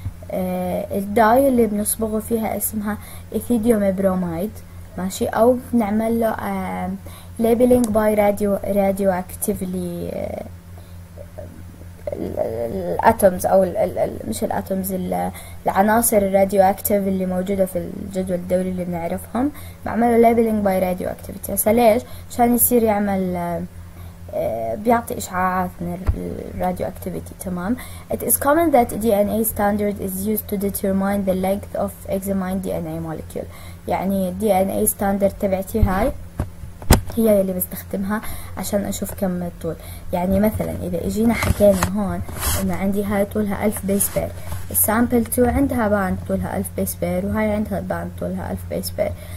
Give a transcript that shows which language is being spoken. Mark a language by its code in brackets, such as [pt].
[ar] الداي اللي بنصبغه فيها اسمها ايثيديوم بروميد، ماشي، او بنعمل له ليبلينج باي راديو اكتيفلي الاتومز او مش الاتومز، العناصر الراديو اكتيف اللي موجوده في الجدول الدوري اللي بنعرفهم، بعمله ليبلينج باي راديو اكتيفيتي. هسه ليش؟ عشان يصير يعمل بيعطي اشعاعات من الراديو اكتيفيتي، تمام. [en] It is common that DNA standard is used to determine the length of examined DNA molecule. [ar] يعني DNA standard تبعتي هاي هي اللي بستخدمها عشان اشوف كم الطول. يعني مثلا اذا اجينا حكينا هون انه عندي هاي طولها 1000 بيس بير، السامبل 2 عندها باند طولها 1000 بيس بير وهاي عندها باند طولها 1000 بيس بير.